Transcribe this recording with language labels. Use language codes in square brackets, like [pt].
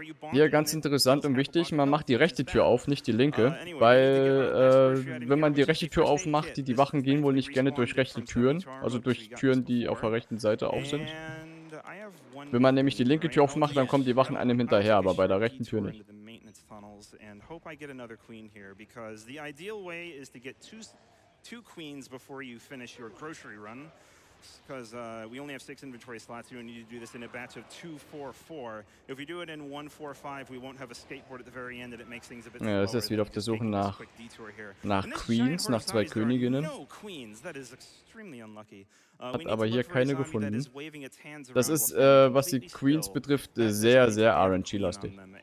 [de] Hier ganz interessant und wichtig, man macht die rechte Tür auf, nicht die linke, weil wenn man die rechte Tür aufmacht, die Wachen gehen wohl nicht gerne durch rechte Türen, also durch Türen, die auf der rechten Seite auf sind. Wenn man nämlich die linke Tür aufmacht, dann kommen die Wachen einem hinterher, aber bei der rechten Tür nicht. [en] And hope I get another queen here, because the ideal way is to get two queens before you finish your grocery run, because we only have 6 inventory slots. You need to do this in a batch of 2-4-4. If we do it in 1-4-5, we won't have a skateboard at the very end, and it makes things a bit slower. [de] Ja, es ist wieder auf der Suche nach Queens, nach zwei Königinnen. [en] No queens. That is extremely unlucky. [de] Hat aber hier keine gefunden. Das ist, was die Queens betrifft, sehr, sehr RNG-lastig.